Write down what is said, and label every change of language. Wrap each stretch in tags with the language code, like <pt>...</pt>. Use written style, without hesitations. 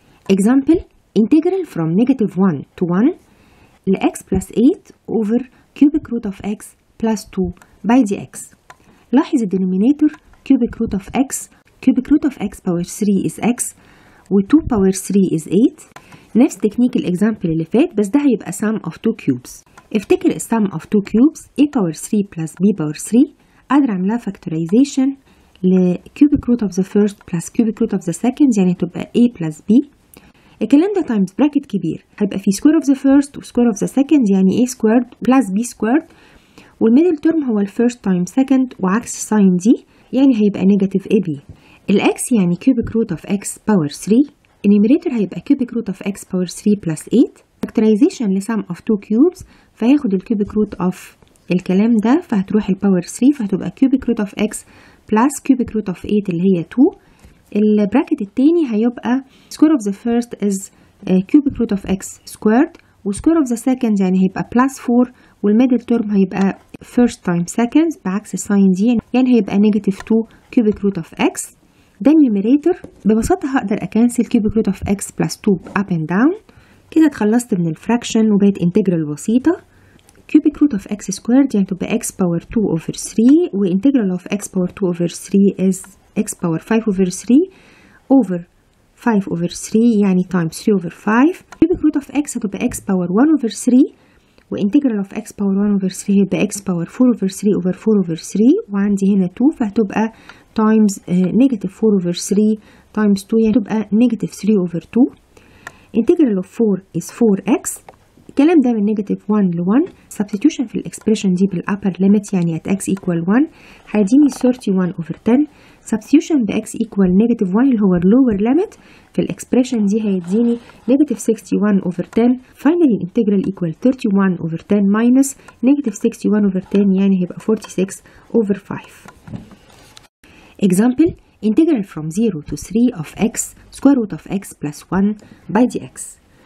<en>example integral from negative 1 to 1 لx plus 8 over cubic root of x plus 2 by dx.</en> <ar>لاحظ الدينومينيتور</ar> <en>cubic root of x. cubic root of x power 3 is x و 2 power 3 is 8.</en> <ar>نفس تكنيك الاكزامبل اللي فات بس ده هيبقى sum of 2 cubes. افتكر</ar> <en>sum of 2 cubes a power 3 plus b power 3</en> <ar>قادر عملها</ar> <en>factorization ل cubic root of the first plus cubic root of the second يعني تبقى a plus b.</en> <ar>الكلام ده</ar> <en>times bracket كبير هيبقى في square of the first و square of the second يعني a squared plus b squared،</en> <ar>والميدل ترم هو</ar> <en>first times second وعكس sign دي يعني هيبقى negative ab. الx يعني cubic root of x power 3.</en> <ar>النيوميريتور هيبقى</ar> <en>cubic root of x power 3 plus 8. factorization لsum of 2 cubes</en> <ar>فهياخد</ar> <en>cubic root of الكلام ده فهتروح power 3 فهتبقى cubic root of x plus cubic root of 8 اللي هي 2.</en> <ar>البراكت التاني هيبقى</ar> <en>square of the first is cubic root of x squared و square of the second يعني هيبقى plus 4 والميدل term هيبقى first times second بعكس الساين دي يعني هيبقى negative 2 cubic root of x.</en> <ar>ده النيوميريتور. ببساطة هقدر اكنسل</ar> <en>cubic root of x plus 2 up and down.</en> <ar>كده اتخلصت من الفراكشن وبقت integral بسيطة.</ar> <en>cubic root of x squared يعني تبقى x power 2 over 3 و integral of x power 2 over 3 is x power 5 over 3 over 5 over 3 يعني times 3 over 5. cubic root of x هتبقى x power 1 over 3 و integral of x power 1 over 3 هيبقى x power 4 over 3 over 4 over 3</en> <ar>وعندي هنا 2 فهتبقى</ar> <en>times negative 4 over 3 times 2 يعني تبقى negative 3 over 2. integral of 4 is 4x.</en> <ar>الكلام ده من</ar> <en>negative 1 ل 1 substitution في الexpression دي بالupper limit يعني at x equal 1 هيديني 31 over 10. substitution بx equal negative 1 اللي هو lower limit في الexpression دي هيديني negative 61 over 10. finally integral equal 31 over 10 minus negative 61 over 10</en> <ar>يعني هيبقى</ar> <en>46 over 5. example integral from 0 to 3 of x square root of x plus 1 by dx.</en>